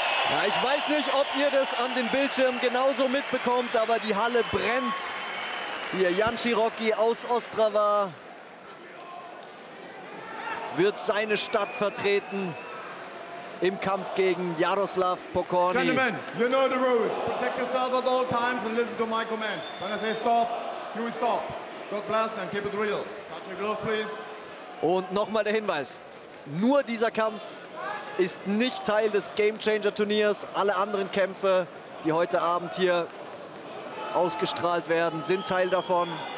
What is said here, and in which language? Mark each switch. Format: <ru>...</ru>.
<de>Ja, ich weiß nicht, ob ihr das an den Bildschirmen genauso mitbekommt, aber die Halle brennt. Hier Jan Schirocki aus Ostrava wird seine Stadt vertreten im Kampf gegen Jaroslav Pokorny.</de> <en>Gentlemen, you know the rules. Protect yourself at all times and listen to my commands. When I say stop, you stop. God bless and keep it real. Touch your gloves, please.</en> <de>Und nochmal der Hinweis. Nur dieser Kampf ist nicht Teil des Game Changer Turniers. Alle anderen Kämpfe, die heute Abend hier ausgestrahlt werden, sind Teil davon.</de>